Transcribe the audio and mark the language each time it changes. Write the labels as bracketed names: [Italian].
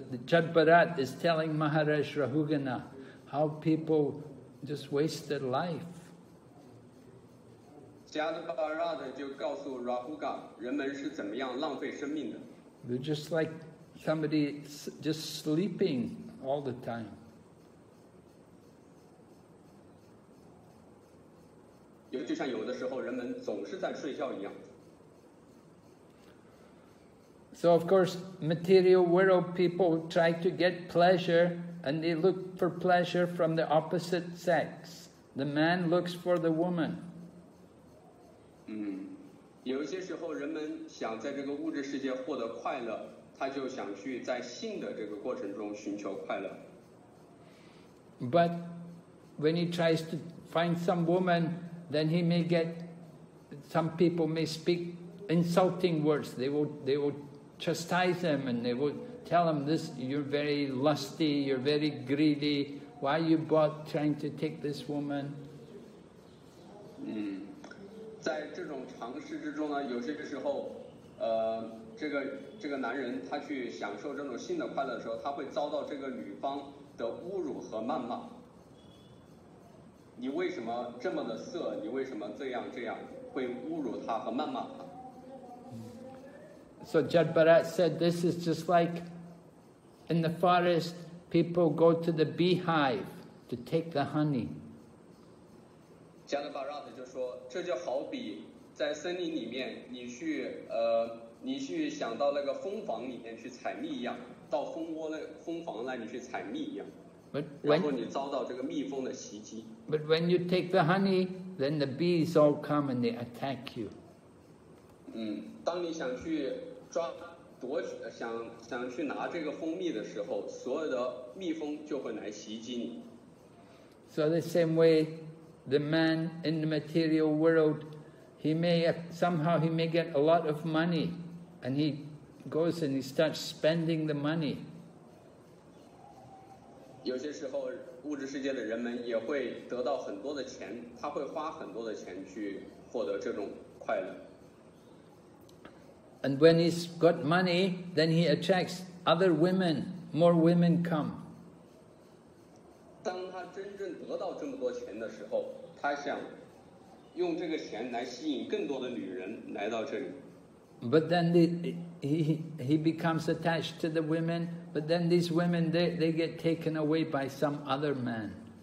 [English] Jad Bharat is telling Maharaj Rahugana how people just waste their life. [Chinese] Jad Bharat 就告诉 Rahuga 人们是怎么样浪费生命的。 [English] They're just like somebody just sleeping all the time. [Chinese] 就像有的时候人们总是在睡觉一样。 [English] So of course, material world people try to get pleasure, and they look for pleasure from the opposite sex. The man looks for the woman. [Chinese] 有些时候人们想在这个物质世界获得快乐，他就想去在性的这个过程中寻求快乐。 [English] But when he tries to find some woman, then he may get, some people may speak insulting words. They will chastise him, and they would tell him, "This, you're very lusty, you're very greedy. Why are you bought trying to take this woman?" [Chinese] 在这种尝试之中呢，有些时候，这个男人他去享受这种性的快乐的时候，他会遭到这个女方的侮辱和谩骂。你为什么这么的色？你为什么这样？会侮辱他和谩骂他。 [English] So Jad Bharat said, this is just like in the forest, people go to the beehive to take the honey. [Chinese] Jad Bharat 就说，这就好比在森林里面，你去想到那个蜂房里面去采蜜一样，到蜂窝那蜂房那里去采蜜一样，然后你遭到这个蜜蜂的袭击。 [English] But when you take the honey, then the bees all come and they attack you. [Chinese] 当你想去抓夺取想去拿这个蜂蜜的时候，所有的蜜蜂就会来袭击你。 [English] So the same way, the man in the material world, he may get a lot of money, and he goes and he starts spending the money. [Chinese] 有些时候，物质世界的人们也会得到很多的钱，他会花很多的钱去获得这种快乐。 [English] And when he's got money, then he attracts other women, more women come. [Chinese] 当他真正得到这么多钱的时候，他想用这个钱来吸引更多的女人来到这里。 [English] But then he becomes attached to the women, but then these women, they get taken away by some other man.